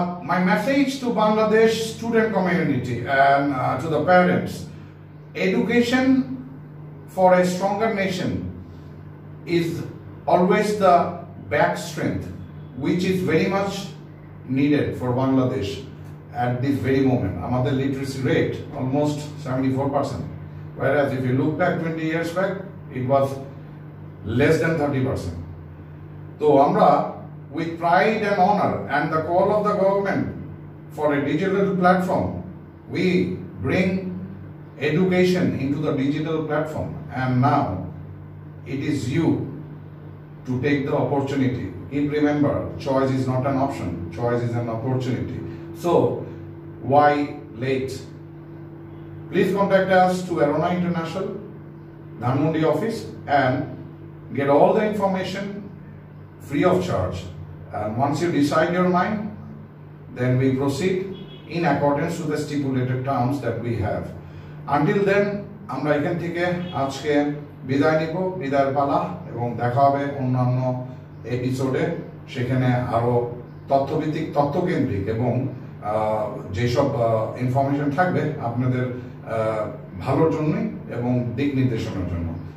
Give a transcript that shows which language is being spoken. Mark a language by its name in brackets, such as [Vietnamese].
[English] My message to Bangladesh student community and to the parents, education for a stronger nation is always the back strength which is very much needed for Bangladesh at this very moment. Our literacy rate almost 74%, whereas if you look back 20 years back it was less than 30%. So amra with pride and honor and the call of the government for a digital platform, we bring education into the digital platform, and now it is you to take the opportunity. In remember, choice is not an option, choice is an opportunity. So why late? Please contact us to Arona International Dhanmundi office and get all the information free of charge. And once you decide your mind, then we proceed in accordance with the stipulated terms that we have. Until then, [Bangla] আমরা এখান থেকে আজকে বিদায় নিব, বিদায়ের পালা, এবং দেখা হবে অন্যান্য এপিসোডে, সেখানে আরো তথ্যভিত্তিক, তথ্যকেন্দ্রিক এবং যেসব ইনফরমেশন থাকবে আপনাদের ভালোর জন্য এবং দিক নির্দেশনার জন্য।